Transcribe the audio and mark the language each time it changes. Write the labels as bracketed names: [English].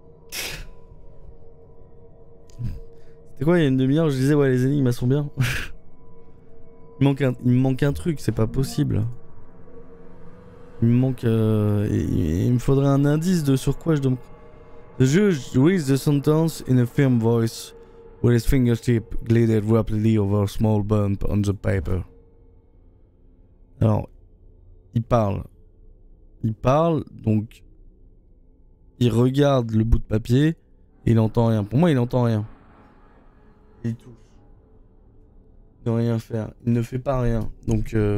[French] C'était quoi, il y a une demi-heure, je disais, ouais, les énigmes, elles sont bien. Il me manque un truc, c'est pas possible. Il me manque... Il me faudrait un indice de sur quoi je dois... [English] The judge reads the sentence in a firm voice, with his fingertips glided rapidly over a small bump on the paper. [French] Alors, il parle. Il parle, donc il regarde le bout de papier et il entend rien. Pour moi, il entend rien. Il touche. Il ne rien faire. Il ne fait pas rien. Donc...